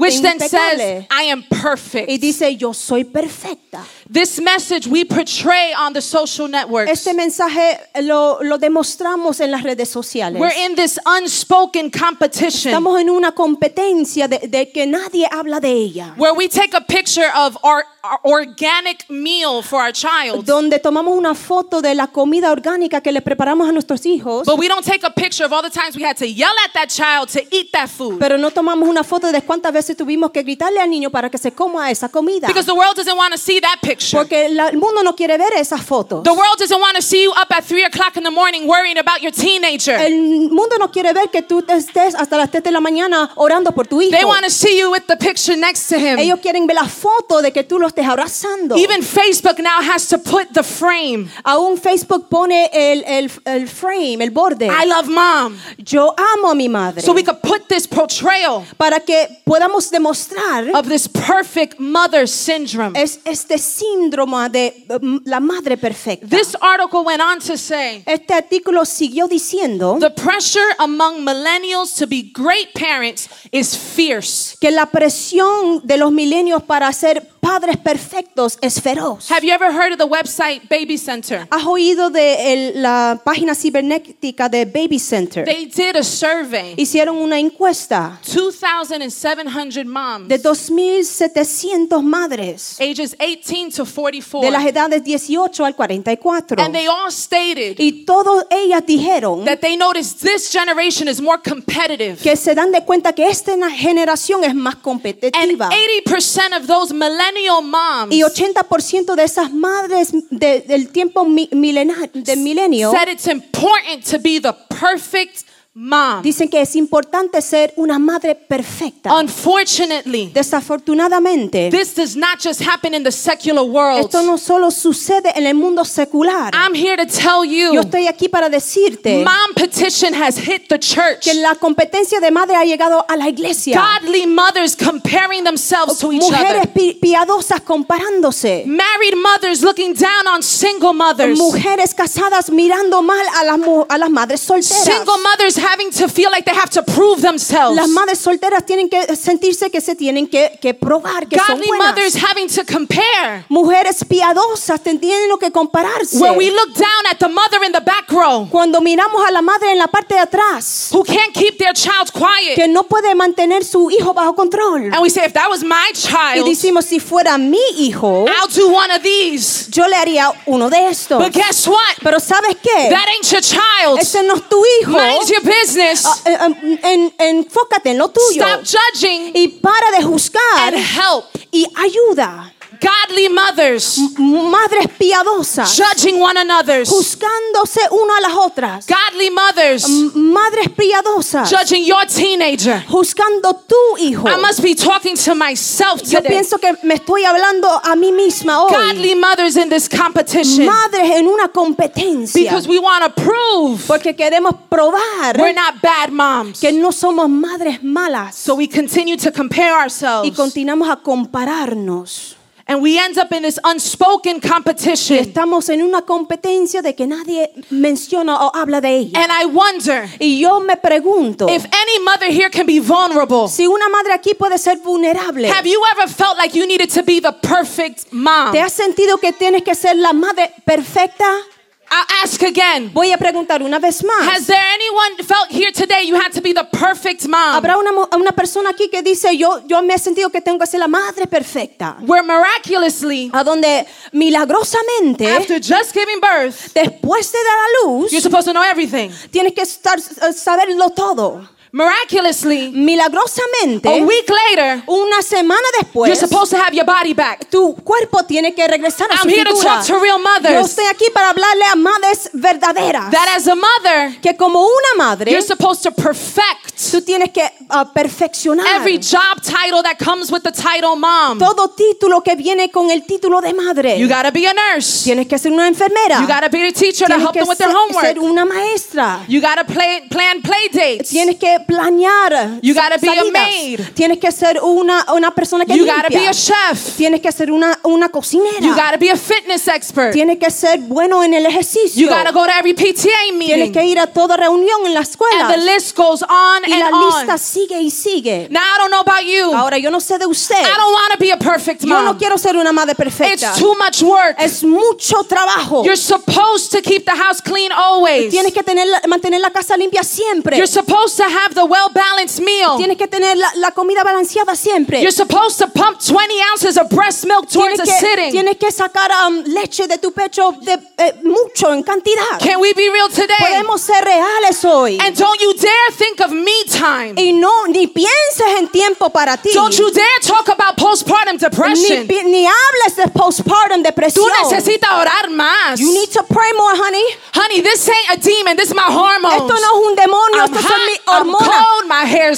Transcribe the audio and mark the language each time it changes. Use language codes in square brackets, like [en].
[en] Which then says I am perfect. [es] Y dice yo soy perfecta. [en] This message we portray on the social networks. [es] Este mensaje lo demostramos en las redes sociales. [en] We're in this unspoken competition. [es] Estamos en una competencia de que nadie habla de ella. [en] Where we take a picture of our organic meal for our child. [es] Donde tomamos una foto de la comida orgánica que le preparamos a nuestros hijos. [en] But we don't take a picture of all the times we had to yell at that child to eat that food. [es] Pero no tomamos una foto de cuántas veces tuvimos que gritarle al niño para que se coma esa comida. [en] Because the world doesn't want to see that picture. [es] Porque el mundo no quiere ver esas fotos. [en] The world doesn't want to see you up at 3:00 in the morning worrying about your teenager. [es] El mundo no quiere ver que tú estés hasta las 3 de la mañana orando por tu hijo. [en] They want to see you with the picture next to him. [es] Ellos quieren ver la foto de que tú lo estés abrazando. [en] Even Facebook now has to put the frame. [es] Aún Facebook pone el frame, el borde. [en] I love mom. [es] Yo amo a mi madre. [en] So we could put this portrayal. [es] Para que podamos demostrar. [en] Of this perfect mother syndrome. [es] Es este síndrome de la madre perfecta. [en] This article went on to say. [es] Este artículo siguió diciendo. [en] The pressure among millennials to be great parents is fierce. [es] Que la presión de los millennials para ser padres perfectos es feroz. [en] Have you ever heard of the website Baby Center? [es] ¿Has oído de la página cibernética de Baby Center? [en] They did a survey. [es] Hicieron una encuesta. [en] 2,700 moms. [es] De 2,700 madres. [en] Ages 18 to 44. [es] De las edades 18 al 44. [en] And they all stated. [es] Y todas ellas dijeron. [en] That they noticed this generation is more competitive. [es] Que se dan de cuenta que esta generación es más competitiva. [en] And 80% of those millennial moms. [es] Y 80% de esas madres del tiempo de milenio. [en] Said it's important to be the perfect mom. [es] Dicen que es importante ser una madre perfecta. [en] Unfortunately, [es] desafortunadamente, [en] this does not just happen in the secular world. [es] Esto no solo sucede en el mundo secular. [en] I'm here to tell you. [es] Yo estoy aquí para decirte. [en] Mom petition has hit the church. [es] Que la competencia de madre ha llegado a la iglesia. [en] Godly mothers comparing themselves to each other. [es] Mujeres piadosas comparándose. [en] Married mothers looking down on single mothers. [es] Mujeres casadas mirando mal a las madres solteras. [en] Single mothers having to feel like they have to prove themselves. [es] Las madres solteras tienen que sentirse que se tienen que probar que [en] Godly [es] son buenas. [en] Godly mothers having to compare. [es] Mujeres piadosas tienen lo que compararse. [en] When we look down at the mother in the back row. [es] Cuando miramos a la madre en la parte de atrás. [en] Who can't keep their child quiet. [es] Que no puede mantener su hijo bajo control. [en] And we say, if that was my child. [es] Y decimos, si fuera mi hijo. [en] I'll do one of these. [es] Yo le haría uno de estos. [en] But guess what? [es] Pero ¿sabes qué? [en] That ain't your child. [es] Ese no es tu hijo. [en] Your business. [es] Enfócate en lo tuyo. [en] Stop judging. [es] Y para de juzgar. [en] And help. [es] Y ayuda. [en] Godly mothers. [es] Madres piadosas. [en] Judging one another. [es] Juzgándose una a las otras. [en] Godly mothers. [es] Madres piadosas. [en] Judging your teenager. [es] Juzgando tu hijo. [en] I must be talking to myself today. [es] Yo pienso que me estoy hablando a mí misma hoy. [en] Godly mothers in this competition. [es] Madres en una competencia. [en] Because we want to prove. [es] Porque queremos probar. [en] We're not bad moms. [es] Que no somos madres malas. [en] So we continue to compare ourselves. [es] Y continuamos a compararnos. [en] And we end up in this unspoken competition. [es] Estamos en una competencia de que nadie menciona o habla de ella. [en] And I wonder. [es] Y yo me pregunto. [en] If any mother here can be vulnerable. [es] Si una madre aquí puede ser vulnerable. [en] Have you ever felt like you needed to be the perfect mom? [es] ¿Te has sentido que tienes que ser la madre perfecta? [en] I'll ask again. [es] Voy a preguntar una vez más. [en] Has there anyone felt here today you had to be the perfect mom? [es] ¿Habrá una persona aquí que dice yo me he sentido que tengo que ser la madre perfecta? [en] Where miraculously, [es] a donde milagrosamente, [en] after just giving birth, [es] después de dar a luz, [en] you're supposed to know everything. [es] Tienes que saberlo todo. [en] Miraculously, [es] milagrosamente, [en] a week later, [es] una semana después, [en] you're supposed to have your body back. [es] Tu cuerpo tiene que regresar a [en] I'm [es] su [en] here [es] figura. [en] To talk to real mothers. [es] Yo estoy aquí para hablarle a madres verdaderas. [en] That as a mother, [es] que como una madre, [en] you're supposed to perfect. [es] Tú tienes que perfeccionar [en] every job title that comes with the title mom. [es] Todo título que viene con el título de madre. [en] You gotta be a nurse. [es] Tienes que ser una enfermera. [en] You gotta be a teacher [es] tienes [en] to help them with their homework. [es] Tienes que ser una maestra. [en] You gotta plan play dates. [es] Tienes que planear [en] you gotta be a maid. [es] Tienes que ser una persona que [en] you [es] limpia. [en] Gotta be a chef. [es] Tienes que ser una cocinera. [en] You gotta be a fitness expert. [es] Tienes que ser bueno en el ejercicio. [en] You gotta go to every PTA meeting. [es] Tienes que ir a toda reunión en la escuela. [en] And the list goes on [es] y [en] and [es] la [en] on. [es] Lista sigue y sigue. [en] Now I don't know about you. [es] Ahora yo no sé de usted. [en] I don't wanna be a perfect mom. [es] Yo no quiero ser una madre perfecta. [en] It's too much work. [es] Es mucho trabajo. [en] You're supposed to keep the house clean always. [es] Tienes que mantener la casa limpia siempre. [en] You're supposed to have the well-balanced meal. [es] Tienes que tener la comida balanceada siempre. [en] You're supposed to pump 20 ounces of breast milk towards a sitting. [es] Tienes que sacar leche de tu pecho mucho en cantidad. [en] Can we be real today? [es] Podemos ser reales hoy. [en] And don't you dare think of me time. [es] Y no ni pienses en tiempo para ti. [en] Don't you dare talk about postpartum depression. [es] Ni hables de postpartum depresión. Tú necesitas orar más. [en] You need to pray more, honey. Honey, this ain't a demon. This is my hormones. [es] Esto no es un demonio. [en] I'm cold, my hair's